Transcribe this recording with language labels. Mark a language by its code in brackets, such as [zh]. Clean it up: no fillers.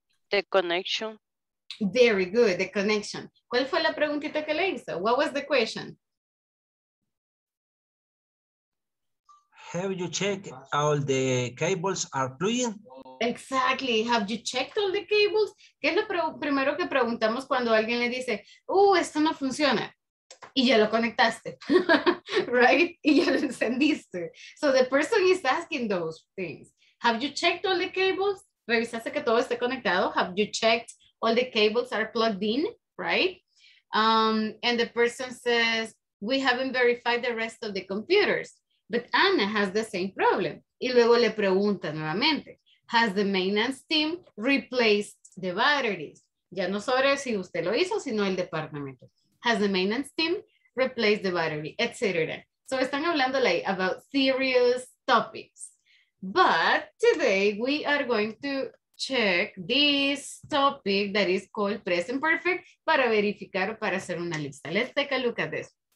[en] The connection. Very good, the connection. [es] ¿Cuál fue la preguntita que le hizo? [en] What was the question? Have you checked all the cables are plugging? Exactly, have you checked all the cables? [es] ¿Qué es lo primero que preguntamos cuando alguien le dice, esto no funciona? Y ya lo conectaste, right? Y ya lo encendiste. [en] So the person is asking those things. Have you checked all the cables? [es] ¿Revisaste que todo esté conectado? [en] Have you checked all the cables are plugged in, right? And the person says, we haven't verified the rest of the computers. But Anna has the same problem. [es] Y luego le pregunta nuevamente, [en] has the maintenance team replaced the batteries? [es] Ya no sobre si usted lo hizo, sino el departamento. [en] Has the maintenance team replaced the battery, etc. So [es] están hablando [en] like about serious topics. But today we are going to check this topic that is called present perfect [es] para verificar o para hacer una lista. [en] Let's take a look at this.